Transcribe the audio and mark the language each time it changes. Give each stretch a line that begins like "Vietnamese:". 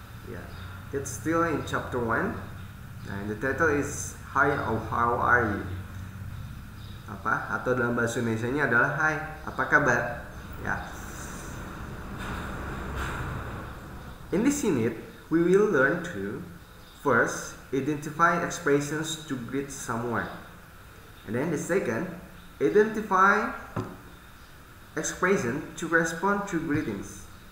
English: Yeah, it's still in chapter 1 and the title is Hi or How Are You.
Indonesian: Apa? Atau dalam bahasa Indonesia nya adalah Hai, apa kabar?
English: Yeah. In this unit, we will learn to first identify expressions to greet someone, and then the second, identify expression to respond to greetings.